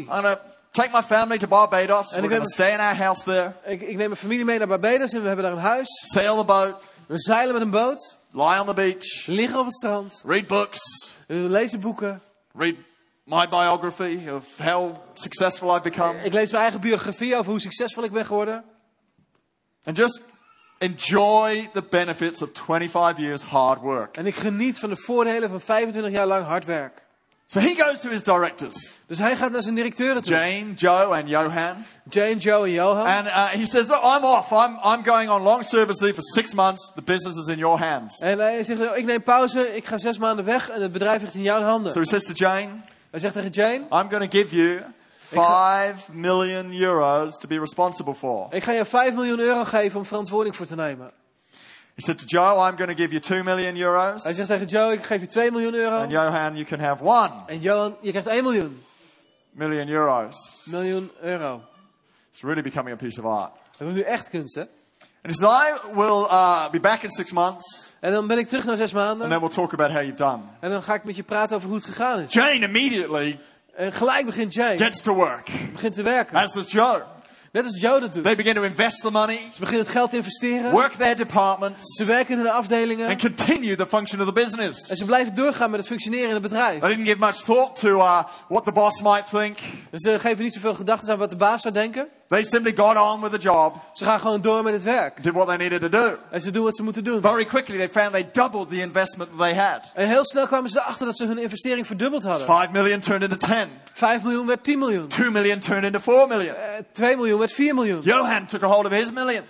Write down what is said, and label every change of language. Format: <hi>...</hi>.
<en>I'm going to take my family to Barbados. And we're going to stay in our house there.</en> <nl>Ik neem mijn familie mee naar Barbados en we hebben daar een huis.</nl> <en>Sail the boat.</en> <nl>We zeilen met een boot.</nl> <en>Lie on the beach.</en> <nl>Liggen op het strand.</nl> <en>Read books.</en> <nl>We lezen boeken.</nl> <en>Read my biography of how successful I've become.</en> <nl>Ik lees mijn eigen biografie over hoe succesvol ik ben geworden.</nl> <en>And just enjoy the benefits of 25 years hard work.</en> <nl>En ik geniet van de voordelen van 25 jaar lang hard werk.</nl> <en>So he goes to his directors.</en> <nl>Dus hij gaat naar zijn directeuren toe.</nl> <en>Jane, Joe and Johan. Jane, Joe and Johan. And he says, "Look, I'm off. I'm going on long service leave for 6 months. The business is in your hands."</en> <nl>En hij zegt, "Ik neem pauze. Ik ga 6 maanden weg en het bedrijf ligt in jouw handen."</nl> <en>So he says to Jane.</en> <nl>Hij zegt tegen Jane.</nl> <en>"I'm going to give you 5 million euros to be responsible for."</en> <nl>Ik ga je 5 miljoen euro geven om verantwoording voor te nemen.</nl> <en>He said to Joe, "I'm going to give you 2 million euros.</en> <nl>Hij zegt tegen Joe, ik geef je 2 miljoen euro.</nl> <en>And Johan, you can have 1.</en> <nl>En Johan, je krijgt 1 miljoen.</nl> <en>Million euros.</en> <nl>Miljoen euro.</nl> <en>It's really becoming a piece of art.</en> <nl>Dat wordt nu echt kunst, hè?</nl> <en>And he says, "I will be back in 6 months.</en> <nl>En dan ben ik terug na 6 maanden.</nl> <en>And then we'll talk about how you've done.</en> <nl>En dan ga ik met je praten over hoe het gegaan is.</nl> <en>Jane immediately.</en> <nl>En gelijk begint Jane.</nl> <en>Gets to work.</en> <nl>Begint te werken.</nl> <en>As does Joe.</en> <nl>Net als Joden doen.</nl> <en>They begin to invest the money.</en> <nl>Ze beginnen het geld te investeren.</nl> <en>Work their departments.</en> <nl>Ze werken in hun afdelingen.</nl> <en>And continue the function of the business.</en> <nl>En ze blijven doorgaan met het functioneren in het bedrijf.</nl> <en>They didn't give much thought to what the boss might think.</en> <nl>Ze geven niet zoveel gedachten aan wat de baas zou denken.</nl> <en>They simply got on with the job.</en> <nl>Ze gaan gewoon door met het werk.</nl> <en>Did what they needed to do.</en> <nl>En ze doen wat ze moeten doen.</nl> <en>Very quickly they found they doubled the investment that they had.</en> <nl>En heel snel kwamen ze erachter dat ze hun investering verdubbeld hadden.</nl> <en>5 million turned into 10.</en> <nl>5 miljoen werd 10 miljoen.</nl> <en>2 million turned into 4 million.</en> <nl>2 miljoen werd 4 miljoen.</nl> <en>Johan took a hold of his million.</en>